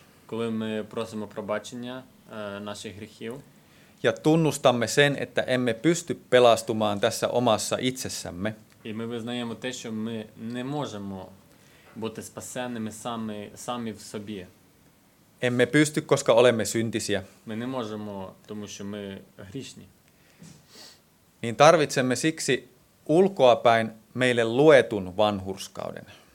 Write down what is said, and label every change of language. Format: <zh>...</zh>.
<uk>коли ми просимо пробачення наших гріхів,</uk> <fi>ja tunnustamme sen, että emme pysty pelastumaan tässä omassa itsessämme,</fi> <uk>і ми визнаємо те, що ми не можемо бути спасеними самі в собі.</uk> <fi>Emme pysty, koska olemme syntisiä.</fi> <uk>Ми не можемо, тому що ми грішні.</uk> <fi>Niin tarvitsemme siksi ulkoapäin meille luetun vanhurskauden.</fi>